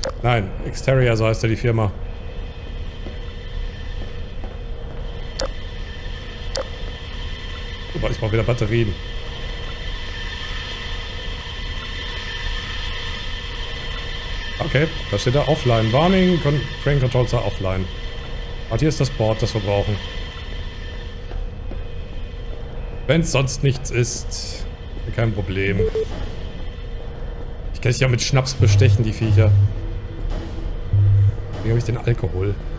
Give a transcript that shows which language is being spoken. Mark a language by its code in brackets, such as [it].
[de] Nein, Exterrier, so heißt er, die Firma. Ich brauche wieder Batterien. Okay, da steht da offline. [en] Warning, Train Controls are offline. [de] Und hier ist das Board, das wir brauchen. Wenn es sonst nichts ist, kein Problem. Ich kann dich ja mit Schnaps bestechen, die Viecher. Wie habe ich den Alkohol?